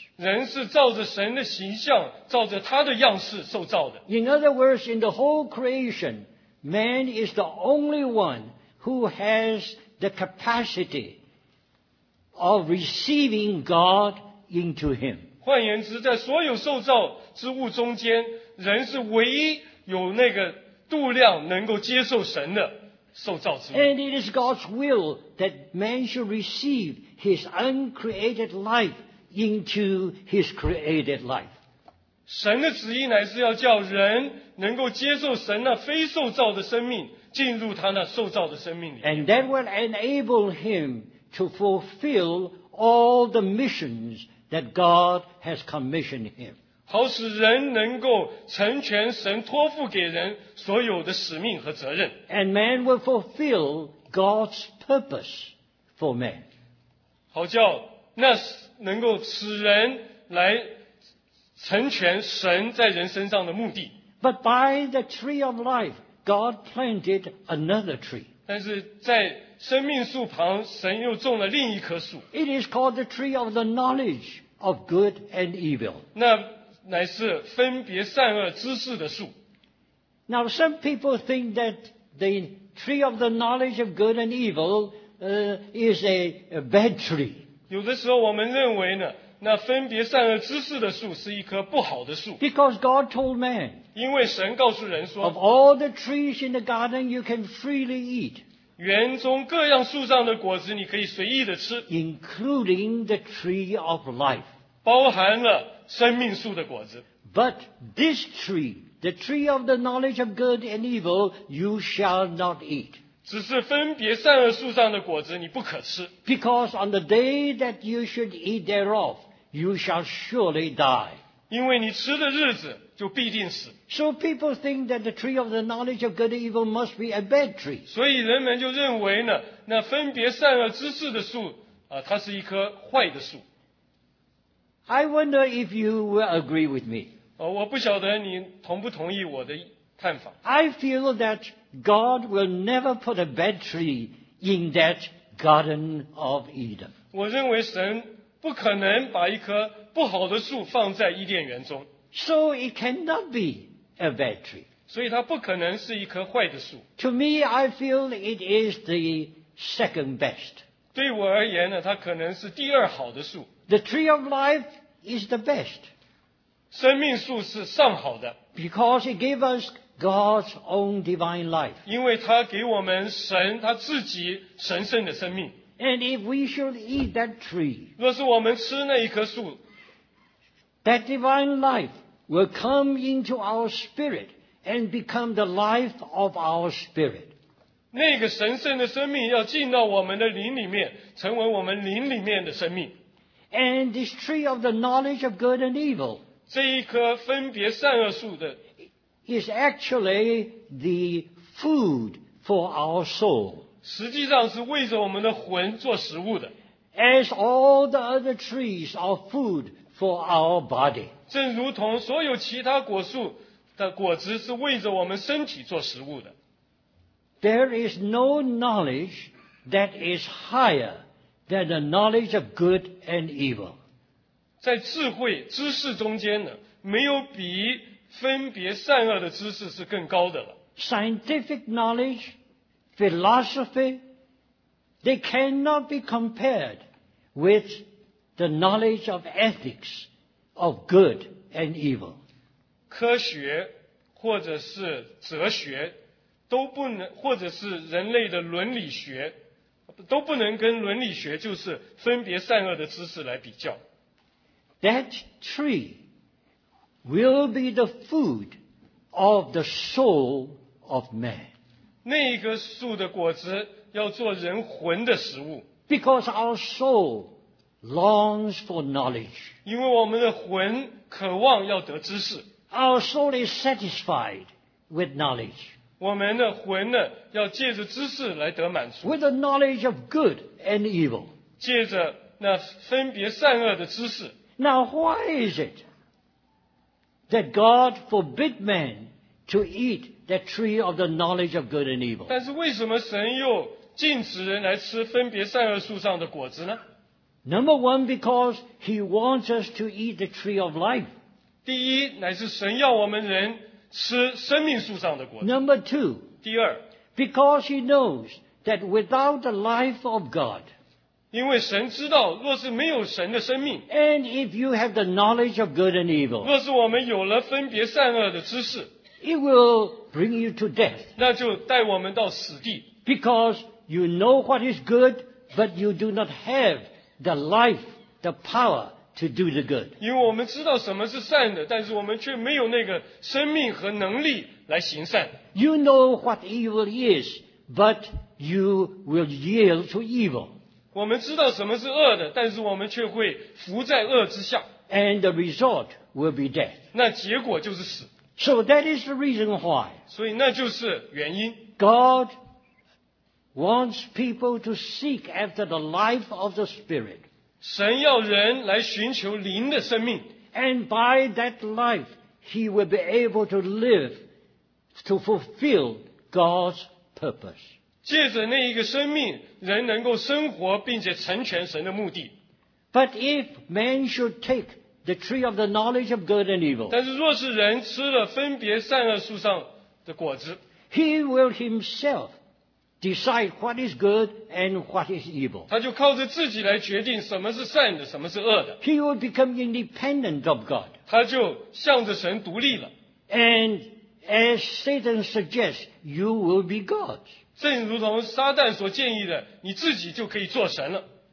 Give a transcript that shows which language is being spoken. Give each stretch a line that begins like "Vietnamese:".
Chinese: 人是照着神的形象，照着他的样式受造的。
English: In other words, in the whole creation, man is the only one who has the capacity of receiving God into him.
Chinese: 换言之，在所有受造之物中间，人是唯一有那个度量能够接受神的。
English: And it is God's will that man should receive his uncreated life into his created life.
Chinese: 神的旨意乃是要叫人能够接受神那非受造的生命进入他那受造的生命里。
English: And that will enable him to fulfill all the missions that God has commissioned him.
Chinese: 好使人能够成全神托付给人所有的使命和责任。
English: And man will fulfill God's purpose for man.
Chinese: 好叫那能够使人来成全神在人身上的目的。
English: But by the tree of life, God planted another tree.
Chinese: 但是在生命树旁神又种了另一棵树。
English: It is called the tree of the knowledge of good and evil.
Chinese: 那乃是分别善恶知识的树。
English: Now some people think that the tree of the knowledge of good and evil, is a bad tree.
Chinese: 有的时候我们认为呢，那分别善恶知识的树是一棵不好的树。
English: Because God told man,
Chinese: 因为神告诉人说
English: ，Of all the trees in the garden, you can freely eat.
Chinese: 园中各样树上的果子你可以随意的吃
English: ，including the tree of life.
Chinese: 包含了。生命树的果子
English: But this tree The tree of the knowledge of good and evil you shall not eat.
Chinese: 只是分别善恶树上的果子你不可吃。
English: Because on the day that you should eat thereof, you shall surely die.
Chinese: 因为你吃的日子就必定死。
English: So people think that the tree of the knowledge of good and evil must be a bad tree.
Chinese: 所以人们就认为呢那分别善恶知识的树它是一棵坏的树。
English: I wonder if you will agree with me.
Chinese: 我不晓得你同不同意我的看法。
English: I feel that God will never put a bad tree in that garden of Eden.
Chinese: 我认为神不可能把一棵不好的树放在伊甸园中。
English: So it cannot be a bad tree.
Chinese: 所以它不可能是一棵坏的树。
English: To me, I feel it is the second best.
Chinese: 对我而言呢，它可能是第二好的树。
English: The tree of life is the best.
Chinese: 生命树是上好的。
English: Because it gave us God's own divine life.
Chinese: 因为它给我们神他自己神圣的生命。
English: And if we should eat that tree,
Chinese: 若是我们吃那一棵树
English: that divine life will come into our spirit and become the life of our spirit.
Chinese: 那个神圣的生命要进到我们的灵里面，成为我们灵里面的生命。
English: And this tree of the knowledge of good and evil,
Chinese: 这一棵分别善恶树的
English: is actually the food for our soul.
Chinese: 实际上是为着我们的魂做食物的。
English: As all the other trees are food for our body.
Chinese: 正如同所有其他果树的果子是为着我们身体做食物的。
English: There is no knowledge that is higher than the knowledge of good and evil.
Chinese: 在智慧知识中间呢，没有比分别善恶的知识是更高的了。
English: Scientific knowledge,Philosophy, they cannot be compared with the knowledge of ethics of good and evil.
Chinese: 科学或者是哲学都不能，或者是人类的伦理学都不能跟伦理学就是分别善恶的知识来比较。
English: That tree will be the food of the soul of man.
Chinese: 那一棵树的果子要做人魂的食物。
English: Because our soul longs for knowledge.
Chinese: 因为我们的魂渴望要得知识。
English: Our soul is satisfied with knowledge.
Chinese: 我们的魂呢要借着知识来得满足。
English: With the knowledge of good and evil.
Chinese: 借着那分别善恶的知识。
English: Now why is it that God forbid man to eat that tree of the knowledge of good and evil.
Chinese: 但是为什么神又禁止人来吃分别善恶树上的果子呢？
English: Number one, because he wants us to eat the tree of life.
Chinese: 第一，乃是神要我们人吃生命树上的果子。
English: Number two,
Chinese: 第二，
English: because he knows that without the life of God,
Chinese: 因为神知道若是没有神的生命，
English: and if you have the knowledge of good and evil,
Chinese: 若是我们有了分别善恶的知识，
English: It will bring you to death.
Chinese: 那就带我们到死地。
English: Because you know what is good, but you do not have the life, the power to do the good.
Chinese: 因为我们知道什么是善的，但是我们却没有那个生命和能力来行善。
English: You know what evil is, but you will yield to evil.
Chinese: 我们知道什么是恶的，但是我们却会服在恶之下。
English: And the result will be death.
Chinese: 那结果就是死。
English: So that is the reason why.
Chinese: 所以那就是原因。
English: God wants people to seek after the life of the Spirit.
Chinese: 神要人来寻求灵的生命。
English: And by that life, he will be able to live to fulfill God's purpose.
Chinese: 借着那一个生命，人能够生活并且成全神的目的。
English: But if man should take the tree of the knowledge of good and evil.
Chinese: 但是若是人吃了分别善恶树上的果子，
English: he will himself decide what is good and what is evil.
Chinese: 他就靠着自己来决定什么是善的，什么是恶的。
English: He will become independent of God.
Chinese: 他就向着神独立了。
English: And as Satan suggests, you will be God.
Chinese: 正如同撒旦所建议的，你自己就可以做神了。